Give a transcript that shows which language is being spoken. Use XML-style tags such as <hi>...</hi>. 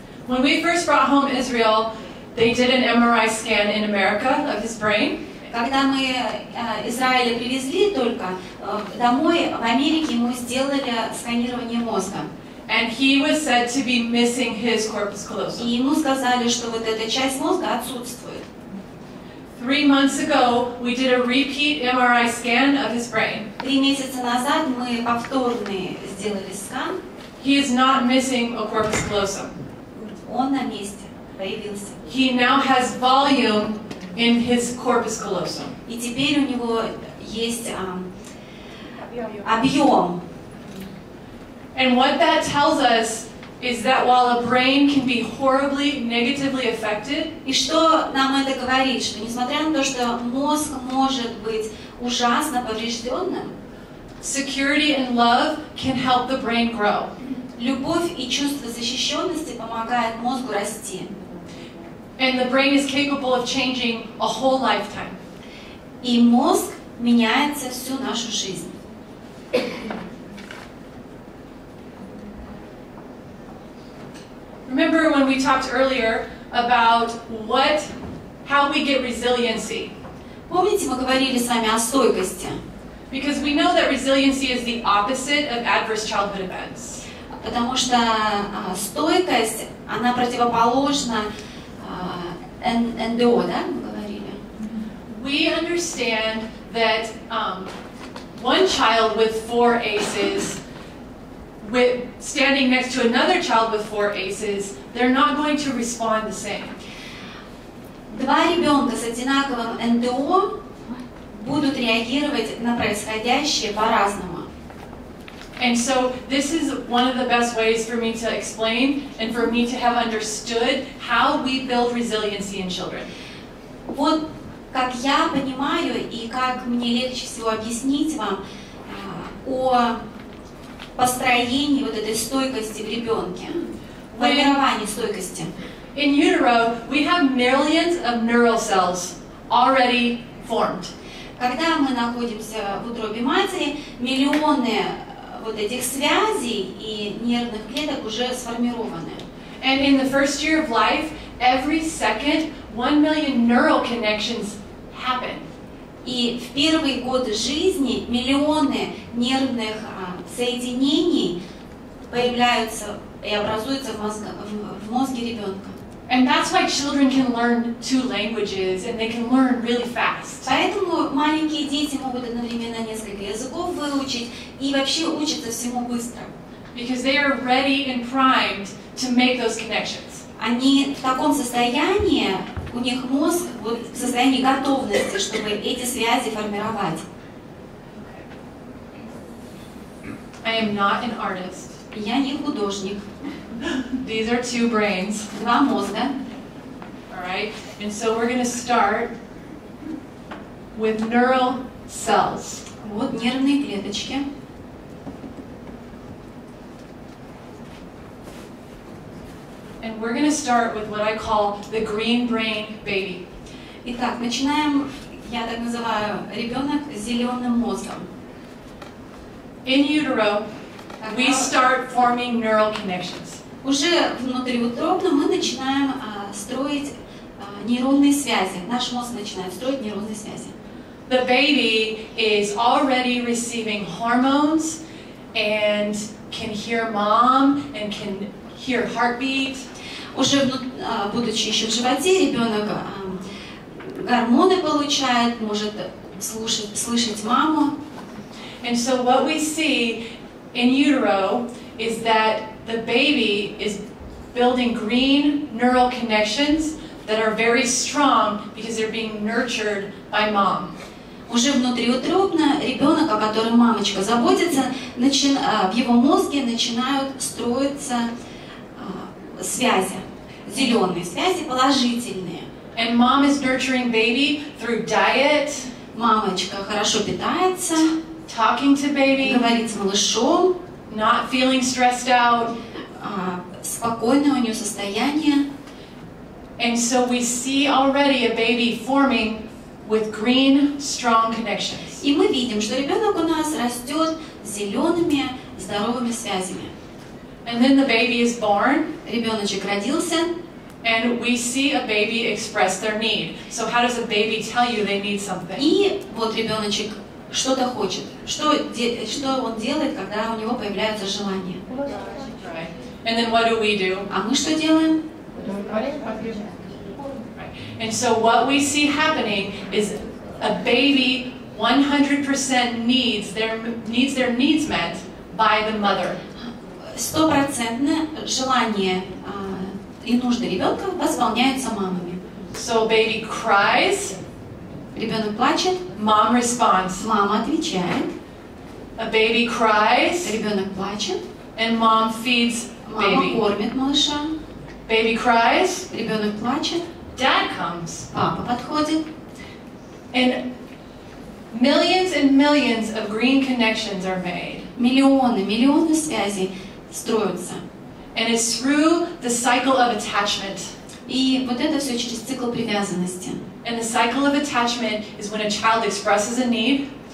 <en>When we first brought home Israel, they did an MRI scan in America of his brain.</en> <ru>Когда мы Израиля привезли только домой, в Америке ему сделали сканирование мозга.</ru> <en>And he was said to be missing his corpus callosum.</en> <ru>И ему сказали, что вот эта часть мозга отсутствует.</ru> <en>3 months ago, we did a repeat MRI scan of his brain.</en> <ru>3 месяца назад мы повторный сделали скан.</ru> <en>He is not missing a corpus callosum.</en> <ru>Он на месте. появился.</ru> <en>He now has volume in his corpus callosum.</en> <ru>И теперь у него есть объем.</ru> <en>And what that tells us is that while a brain can be horribly negatively affected,</en> <ru>и что нам это говорит, что несмотря на то, что мозг может быть ужасно поврежденным,</ru> <en>security and love can help the brain grow.</en> <ru>Любовь и чувство защищенности помогают мозгу расти.</ru> <en>And the brain is capable of changing a whole lifetime.</en> <ru>И мозг меняется всю нашу жизнь.</ru> <en>Remember when we talked earlier about what, how we get resiliency?</en> <ru>Помните, мы говорили с вами о стойкости?</ru> <en>Because we know that resiliency is the opposite of adverse childhood events.</en> <ru>Потому что стойкость, она противоположна НДО, да, мы говорили.</ru> <en>We understand that one child with four ACEs with standing next to another child with four ACEs, they're not going to respond the same.</en> <ru>Два ребенка с одинаковым НДО будут реагировать на происходящее по-разному.</ru> <en>And so this is one of the best ways for me to explain and for me to have understood how we build resiliency in children.</en> <ru>Вот как я понимаю и как мне легче всего объяснить вам о построении вот этой стойкости в ребенке, формировании стойкости.</ru> <en>In utero, we have millions of neural cells already formed.</en> <ru>Когда мы находимся в утробе матери, миллионы вот этих связей и нервных клеток уже сформированы.</ru> <en>And in the first year of life, every second, 1 million neural connections happen.</en> <ru>И в первые годы жизни миллионы нервных соединений появляются и образуются в мозге ребенка.</ru> <en>And that's why children can learn two languages, and they can learn really fast.</en> <ru>Поэтому маленькие дети могут одновременно несколько языков выучить и вообще учатся всему быстро.</ru> <en>Because they are ready and primed to make those connections.</en> <ru>Они в таком состоянии, у них мозг вот в состоянии готовности, чтобы эти связи формировать.</ru> <en>I am not an artist.</en> <ru>Я не художник.</ru> <en>These are two brains.</en> <ru>Два мозга.</ru> <en>All right. And so we're going to start with neural cells.</en> <ru>Вот нервные клеточки.</ru> <en>And we're going to start with what I call the green brain baby.</en> <ru>Итак, начинаем, я так называю, ребенок с зеленым мозгом.</ru> <en>In utero, we start forming neural connections.</en> <ru>Уже внутриутробно мы начинаем строить нейронные связи. Наш мозг начинает строить нейронные связи.</ru> <en>The baby is already receiving hormones and can hear mom and can hear heartbeat.</en> <ru>Уже будучи еще в животе, ребенок гормоны получает, может слышать маму.</ru> <en>And so what we see in utero is that the baby is building green neural connections that are very strong because they're being nurtured by mom.</en> <ru>Уже внутриутробно ребенок, о котором мамочка заботится, в его мозге начинают строиться связи, зеленые связи, положительные.</ru> <en>And mom is nurturing baby through diet.</en> <ru>Мамочка хорошо питается.</ru> <en>Talking to baby.</en> <ru>Говорит с малышом.</ru> <en>Not feeling stressed out.</en> <ru>Спокойное у нее состояние.</ru> <en>And so we see already a baby forming with green, strong connections.</en> <ru>И мы видим, что ребенок у нас растет с зелеными, здоровыми связями.</ru> <en>And then the baby is born.</en> <ru>Ребеночек родился.</ru> <en>And we see a baby express their need. So how does a baby tell you they need something?</en> <ru>И вот ребеночек что-то хочет. Что он делает, когда у него появляются желания?</ru> <en>And then what do we do?</en> <ru>А мы что делаем?</ru> <en>And so what we see happening is a baby 100% needs their needs met by the mother.</en> <ru>100% желание и нужды ребенка восполняются мамами.</ru> <en>So baby cries.</en> <ru>Ребенок плачет.</ru> <en>Mom responds.</en> <ru>Мама отвечает.</ru> <en>A baby cries.</en> <ru>Ребенок плачет.</ru> <en>And mom feeds baby.</en> <ru>Мама кормит малыша.</ru> <en>Baby cries.</en> <ru>Ребенок плачет.</ru> <en>Dad comes.</en> <ru>Папа подходит.</ru> <en>And millions and millions of green connections are made.</en> <ru>Миллионы, миллионы связей строятся.</ru> <en>And it's through the cycle of attachment.</en> <ru>И вот это все через цикл привязанности.</ru> <en>And the cycle of attachment is when a child expresses a need.</en>